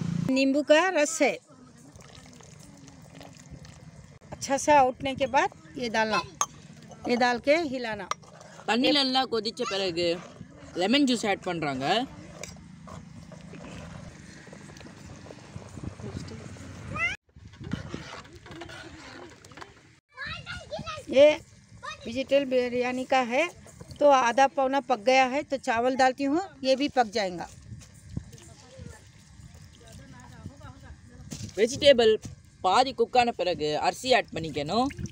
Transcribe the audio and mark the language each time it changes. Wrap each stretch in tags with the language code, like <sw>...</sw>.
<hi>नींबू का रस है, अच्छा सा उठने के बाद ये डालना, ये डाल के हिलाना।</hi> <ta>தண்ணி நல்லா கொதிச்ச பிறகு லெமன் ஜூஸ் ஆட் பண்றாங்க,</ta> <hi>ये वेजिटेबल बिरयानी का है तो आधा पौना पक गया है तो चावल डालती हूँ, ये भी पक जाएगा।</hi> <ta>वेजिटेबल பாதி குக்க ஆன பிறகு அரிசி ஆட் பண்ணிக்கணும்.</ta>